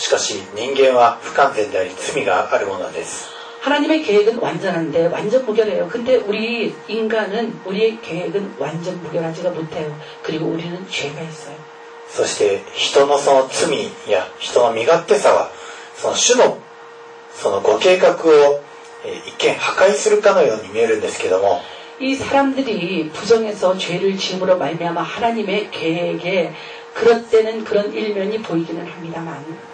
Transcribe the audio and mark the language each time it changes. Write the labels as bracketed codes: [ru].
[ja] 本当にですね、主のご計画は完全であるんですけども、しかし人間は不完全であり罪があるものです。 [ko] 하나님의 계획은 완전한데 완전 무결해요. 근데 우리 인간은 우리의 계획은 완전 무결하지가 못해요. 그리고 우리는 죄가 있어요. [ja] そして人のその罪や人の身勝手さはその主のそのご計画を 一見破壊するかのように見えるんですけども。 [ko] 이 사람들이 부정해서 죄를 지음으로 말미암아 하나님의 계획에 그렇대는 그런 일면이 보이기는 합니다만.